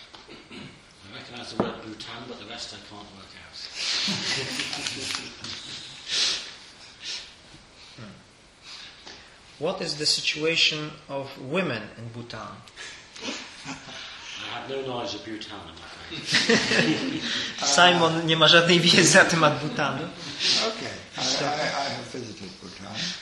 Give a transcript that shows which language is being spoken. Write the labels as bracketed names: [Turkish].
[English] I recognize the word Bhutan, but the rest I can't work out. What is the situation of women in Bhutan? I have no knowledge of Bhutan, I'm afraid. [Polish] Simon nie ma żadnej wiedzy na temat Bhutanu. [English] Okay, I have visited Bhutan.